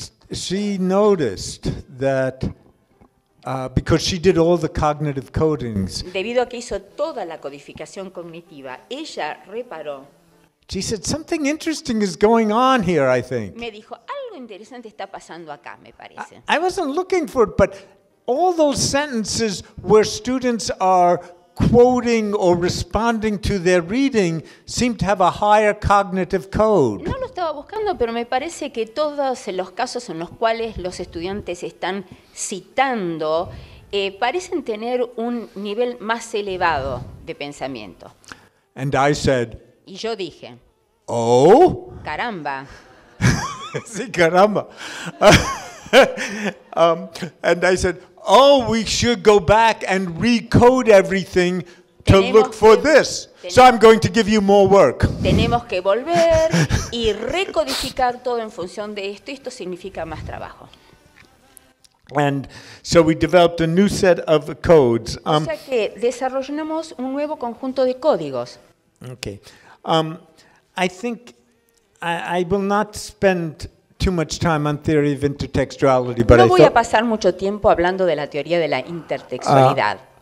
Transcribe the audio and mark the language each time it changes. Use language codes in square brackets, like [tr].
[en] She noticed that because she did all the cognitive codings. [es] Debido a que hizo toda la codificación cognitiva, ella reparó. [en] She said something interesting is going on here, I think. [es] Me dijo algo interesante está pasando acá, me parece. [en] I wasn't looking for it, but all those sentences where students are quoting or responding to their reading seem to have a higher cognitive code. [es] No lo estaba buscando, pero me parece que todos los casos en los cuales los estudiantes están citando parecen tener un nivel más elevado de pensamiento. [en] And I said, [es] y yo dije, oh, caramba. Sí, caramba. [en] And I said, oh, we should go back and recode everything to look for this. So I'm going to give you more work. [es] Tenemos que volver y recodificar todo en función de esto. Esto significa más trabajo. [en] And so we developed a new set of codes. [es] O sea que desarrollamos un nuevo conjunto de códigos. [en] Okay. I think I will not spend too much time on theory of intertextuality, but [es] no voy a pasar mucho tiempo hablando de la teoría de la intertextualidad.